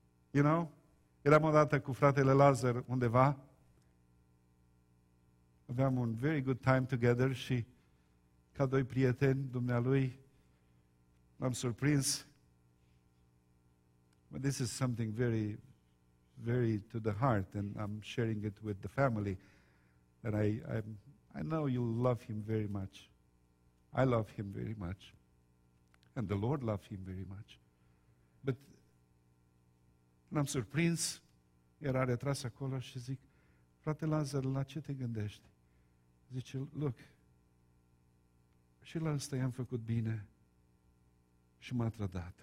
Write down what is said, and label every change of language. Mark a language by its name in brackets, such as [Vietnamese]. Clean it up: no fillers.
[English] You know? [Romanian] Eram odată cu fratele Lazar undeva, aveam un [English] very good time together [Romanian] și ca doi prieteni dumnealui m-am surprins. [English] But this is something very, very to the heart and I'm sharing it with the family. And I know you love him very much. I love him very much. And the Lord loves him very much. But [Romanian] m-am surprins, era retras acolo și zic, frate Lazar, la ce te gândești? Zice, [English] look, [Romanian] și la asta i-am făcut bine și m-a trădat.